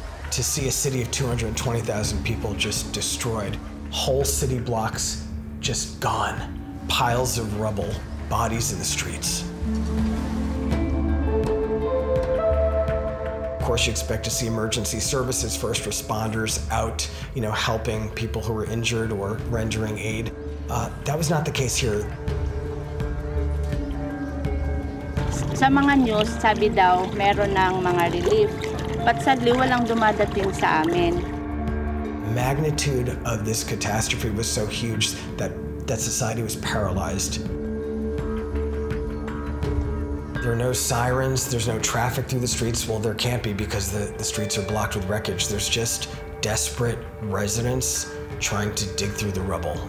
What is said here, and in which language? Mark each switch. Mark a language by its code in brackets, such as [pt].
[en] To see a city of 220,000 people just destroyed, whole city blocks just gone, piles of rubble, bodies in the streets. Of course, you expect to see emergency services, first responders out, you know, helping people who were injured or rendering aid. That was not the case here. [tl] Sa mga news, sabi daw meron ng mga relief, but sadly walang dumadating sa amin. [en] Magnitude of this catastrophe was so huge that society was paralyzed. There are no sirens, there's no traffic through the streets. Well, there can't be because the streets are blocked with wreckage. There's just desperate residents trying to dig through the rubble.